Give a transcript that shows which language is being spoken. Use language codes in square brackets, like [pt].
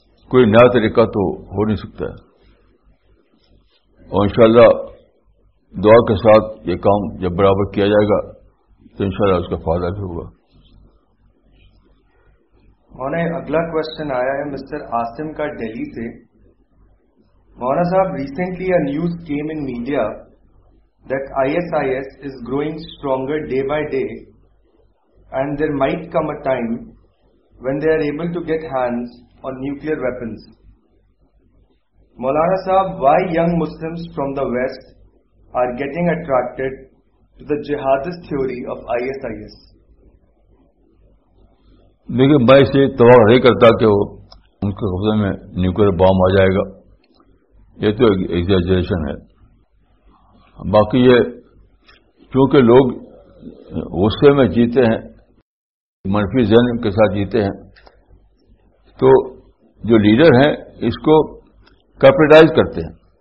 [ur] کوئی نیا طریقہ تو ہو نہیں سکتا ہے, اور انشاءاللہ دعا کے ساتھ یہ کام جب برابر کیا جائے گا تو انشاءاللہ اس کا فائدہ بھی ہوگا. اگلا کوشچن آیا ہے مسٹر آسم کا دہلی سے. [en] Mona Sahab, recently a news came in media that ISIS is growing stronger day by day, and there might come a time when they are able to get hands on nuclear weapons. Maulana Sahab, why young Muslims from the West are getting attracted to the jihadist theory of ISIS? [ur] لیکن میں اس لیے توقع نہیں کرتا کہ وہ ان کے قبضے میں نیوکلیئر بام آ جائے گا, یہ تو ایگزیجریشن ہے. باقی یہ چونکہ لوگ غصے میں جیتے ہیں, منفی ذہن کے ساتھ جیتے ہیں, تو جو لیڈر ہیں اس کو کیپٹلائز کرتے ہیں.